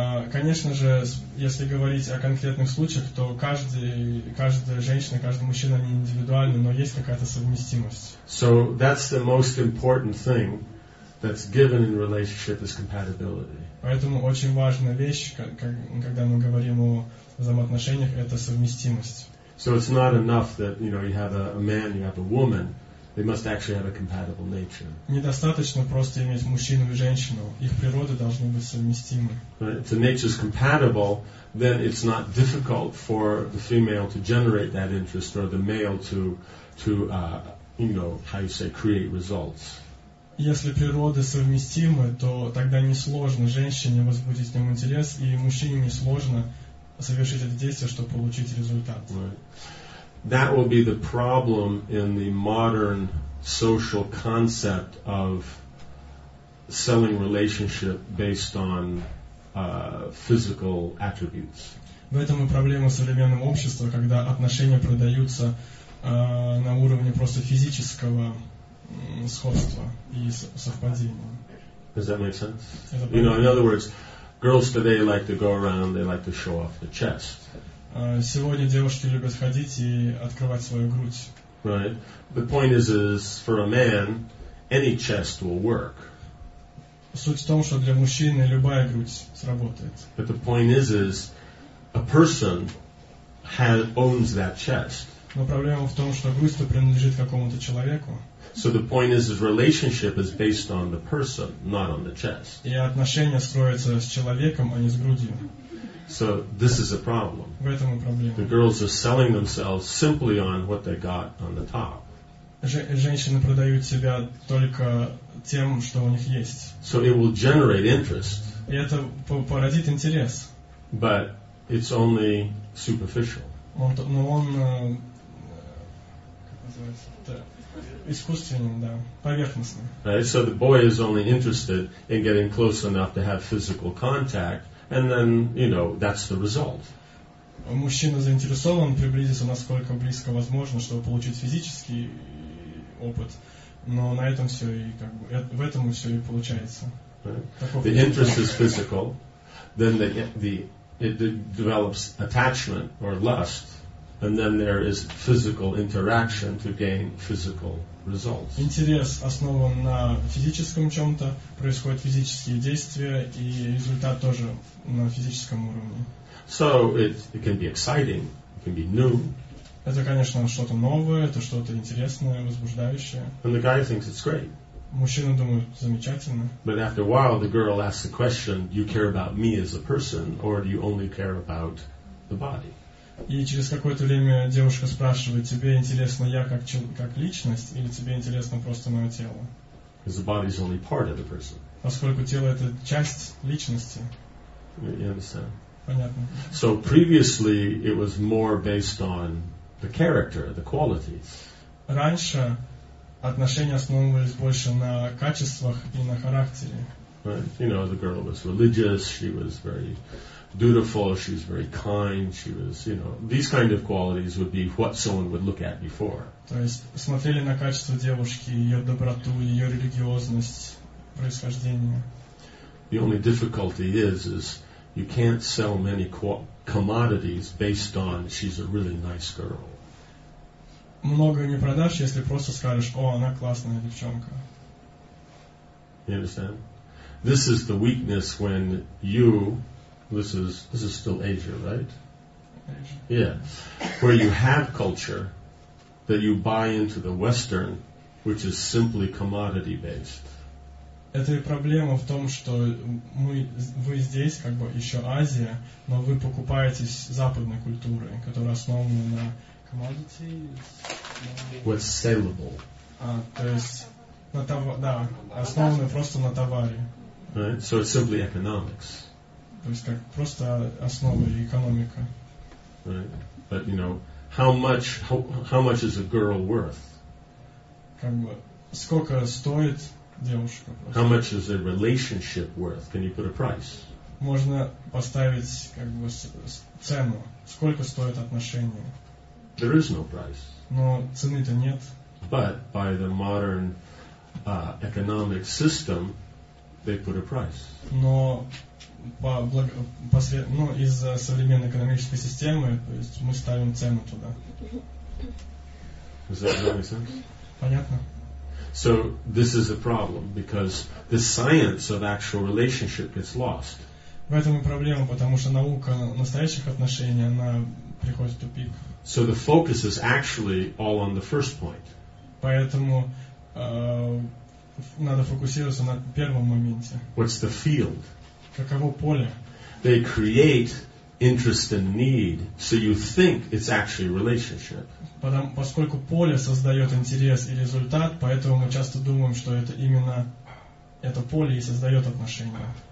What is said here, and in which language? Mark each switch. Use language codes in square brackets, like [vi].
[ru] Конечно же, если говорить о конкретных случаях, то каждая женщина, каждый мужчина они индивидуальны, но есть какая-то совместимость. [en] So that's the most important thing that's given in relationship is compatibility. [ru] Поэтому очень важная вещь, когда мы говорим о взаимоотношениях, это совместимость. [en] So it's not enough that, you know, you have a man, you have a woman. They must actually have a compatible nature. [ru] Недостаточно просто иметь мужчину и женщину. Их природы должны быть совместимы. [en] If the nature is compatible, then it's not difficult for the female to generate that interest or the male to, you know, how you say, create results. [ru] Если природы совместимы, то тогда несложно женщине возбудить в нем интерес, и мужчине несложно совершить это действие, чтобы получить результат. [en] Right. That will be the problem in the modern social concept of selling relationship based on physical attributes. [ru] В этом и проблема современного общества, когда отношения продаются на уровне просто физического сходства и совпадения. [en] Does that make sense? You know, in other words, girls today like to go around, they like to show off the chest. [ru] Сегодня девушки любят ходить и открывать свою грудь. [en] Right. The point is for a man, any chest will work. [ru] Суть в том, что для мужчины любая грудь сработает. [en] But the point is a person has owns that chest. [ru] Но проблема в том, что грудь-то принадлежит какому-то человеку. [en] So the point is relationship is based on the person, not on the chest. [ru] И отношения строятся с человеком, а не с грудью. [en] So this is a problem. [ru] В этом и проблема. [en] The girls are selling themselves simply on what they got on the top. [ru] Женщины продают себя только тем, что у них есть. [en] So it will generate interest. [ru] И это породит интерес. [en] But it's only superficial. [ru] Но он как называется? Искусственным, да, поверхностным. [en] Right. So the boy is only interested in getting close enough to have physical contact. And then, you know, that's the result. [ru] Мужчина заинтересован приблизиться насколько близко возможно, чтобы получить физический опыт. Но на этом все и как бы в этом все и получается. [en] Right. The interest is physical. Then it develops attachment or lust. And then there is physical interaction to gain physical results. [ru] Интерес основан на физическом чем-то, происходят физические действия, и результат тоже на физическом уровне. [en] So it can be exciting, it can be new. [ru] Это, конечно, что-то новое, это что-то интересное, возбуждающее. [en] And the guy thinks it's great. [ru] Мужчина думает, замечательно. [en] But after a while, the girl asks the question, do you care about me as a person, or do you only care about the body? [ru] И через какое-то время девушка спрашивает, тебе интересно я как личность, или тебе интересно просто мое тело? [en] The body is only part of the person. [ru] Поскольку тело — это часть личности. [en] You understand? [ru] Понятно. [en] So previously it was more based on the character, the qualities. [ru] Раньше отношения основывались больше на качествах и на характере. [en] Right. You know, the girl was religious, she was very dutiful, she was very kind, she was, you know, these kind of qualities would be what someone would look at before. [ru] То есть смотрели на качество девушки, ее доброту, ее религиозность, происхождение. [en] The only difficulty is you can't sell many commodities based on she's a really nice girl. [ru] Много не продашь, если просто скажешь, о, она классная девчонка. [en] You understand? This is the weakness when you... This is still Asia, right? Asia. Yeah. Where you have culture that you buy into the Western, which is simply commodity based. [ru] Это и проблема в том, что вы здесь, как бы еще Азия, но вы покупаетесь западной культурой, которая основана на commodity. [en] What's saleable? [ru] То есть на товар, да, основана просто на товаре. [en] Right. So it's simply economics. [ru] То есть как просто основа и экономика. [en] Right. But you know, how much is a girl worth? [ru] Как бы сколько стоит девушка просто? [en] How much is a relationship worth? Can you put a price? [ru] Можно поставить как бы цену. Сколько стоит отношение? [en] There is no price. [ru] Но цены-то нет. [en] But by the modern economic system, they put a price. [ru] Но из-за современной экономической системы, то есть мы ставим цену туда. [en] Does that make sense? [ru] Понятно. [en] So this is a problem because the science of actual relationship gets lost. [ru] В этом и проблема, потому что наука настоящих отношений она приходит в тупик. [en] So the focus is actually all on the first point. [ru] Поэтому надо фокусироваться на первом моменте. [en] What's the field? [ru] Каково поле? [en] They create interest and need, so you think it's actually a relationship. [ru] Поскольку поле создает интерес и результат, поэтому мы часто думаем, что это именно это поле и создает отношения.